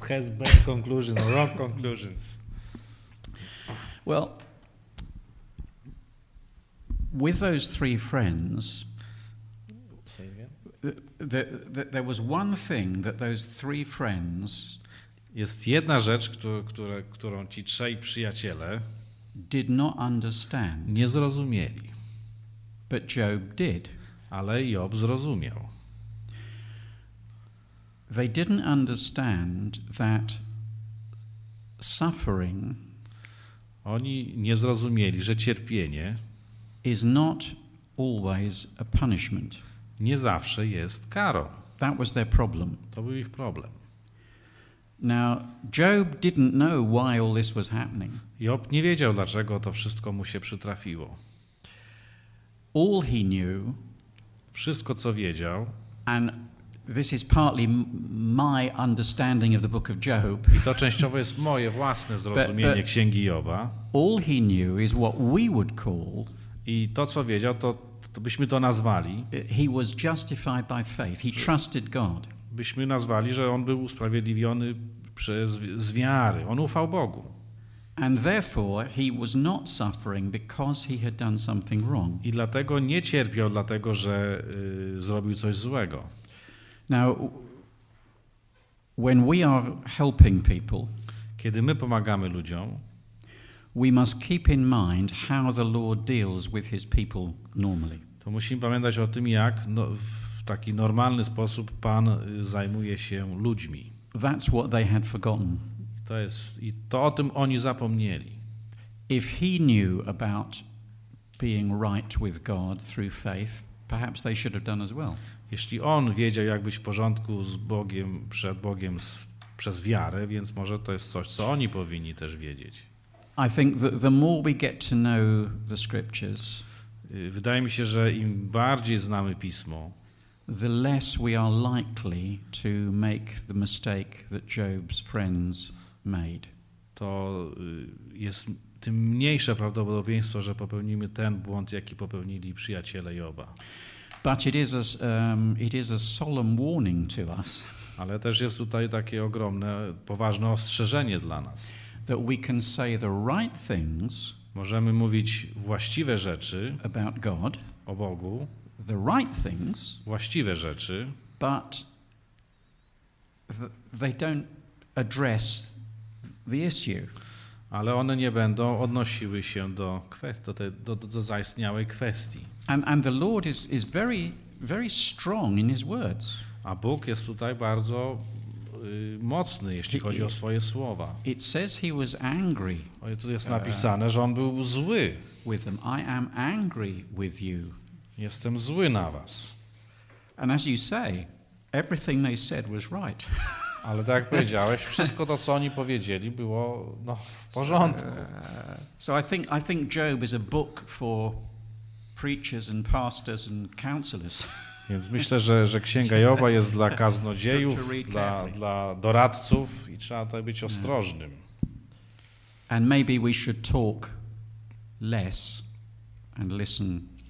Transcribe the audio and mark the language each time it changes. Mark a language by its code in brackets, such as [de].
[en] has bad conclusions or wrong conclusions. Well, with those three friends, there was one thing that those three friends [pl] jest jedna rzecz, którą ci trzej przyjaciele [en] did not understand, [pl] nie zrozumieli, [en] but Job did. [pl] Ale Job zrozumiał. [en] They didn't understand that suffering. [pl] Oni nie zrozumieli, że cierpienie [en] is not always a punishment. [pl] Nie zawsze jest karą. [en] That was their problem. [pl] To był ich problem. [en] Now, Job didn't know why all this was happening. [pl] Job nie wiedział, dlaczego to wszystko mu się przytrafiło. [en] All he knew. [pl] Wszystko, co wiedział. [en] And this is partly my understanding of the book of Job. [pl] I to częściowo jest moje własne zrozumienie [en] but [pl] księgi Joba. [en] All he knew is what we would call. [pl] I to, co wiedział, to byśmy to nazwali. [en] He was justified by faith. He trusted God. [pl] Byśmy nazwali, że on był usprawiedliwiony z wiary. On ufał Bogu. [en] And therefore he was not suffering because he had done something wrong. [pl] I dlatego nie cierpiał, dlatego że zrobił coś złego. [en] Now, when we are helping people, [pl] kiedy my pomagamy ludziom, [en] we must keep in mind how the Lord deals with his people normally. [pl] To musimy pamiętać o tym, jak w taki normalny sposób Pan zajmuje się ludźmi. [en] That's what they had forgotten. [pl] To jest, i to o tym oni zapomnieli. [en] If he knew about being right with God through faith, perhaps they should have done as well. [pl] Jeśli on wiedział, jak być w porządku z Bogiem, przed Bogiem przez wiarę, więc może to jest coś, co oni powinni też wiedzieć. [en] I think that the more we get to know the scriptures, [pl] wydaje mi się, że im bardziej znamy Pismo, [en] the less we are likely to make the mistake that Job's friends made. [pl] To jest tym mniejsze prawdopodobieństwo, że popełnimy ten błąd, jaki popełnili przyjaciele Joba. [en] But it is a solemn warning to us. [pl] Ale też jest tutaj takie ogromne, poważne ostrzeżenie dla nas. [en] That we can say the right things. [pl] Możemy mówić właściwe rzeczy [en] about God, [pl] o Bogu, [en] the right things, [pl] właściwe rzeczy, [en] but they don't address the issue. [pl] Ale one nie będą odnosiły się do zaistniałej kwestii. [en] And the Lord is very, very strong in his words. [pl] A Bóg jest tutaj bardzo mocny, jeśli chodzi o swoje słowa. [en] It says he was angry. [pl] Tu jest napisane, że on był zły. [en] With them. I am angry with you. [pl] Jestem zły na was. [en] And as you say, everything they said was right. [pl] Ale tak jak powiedziałeś, wszystko to, co oni powiedzieli, było no, w porządku. [en] So I think Job is a book for preachers and pastors and counselors. [pl] Więc myślę, że Księga Joba jest dla kaznodziejów, dla doradców i trzeba tutaj być ostrożnym. [en] And maybe we should talk less and listen.